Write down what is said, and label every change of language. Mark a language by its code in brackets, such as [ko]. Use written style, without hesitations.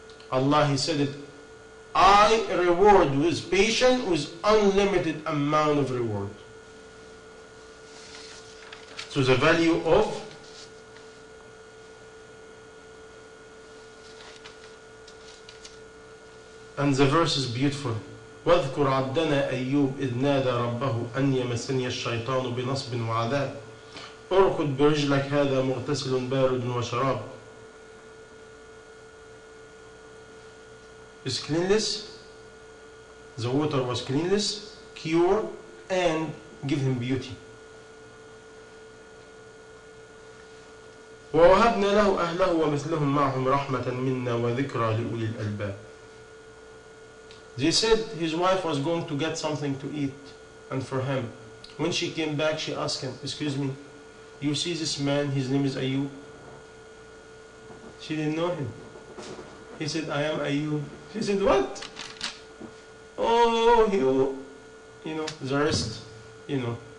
[en] Allah, he said it, I reward with patient with unlimited amount of reward. So the value of and the verse is beautiful. [ar] واذكر عبدنا أيوب إذ نادى ربه أن يمسني الشيطان بنصب وعذاب أركض برجلك هذا مغتسل بارد وشراب. [en] It's cleanless. The water was cleanless, cure, and give him beauty. [ar] ووهبنا له أهله ومثلهم معهم رحمة منا وذكرى لأولي الألباب. [en] They said his wife was going to get something to eat and for him. When she came back, she asked him, excuse me, you see this man, his name is Ayyub? She didn't know him. He said, I am Ayyub. She said, what? Oh, you know, the rest, you know.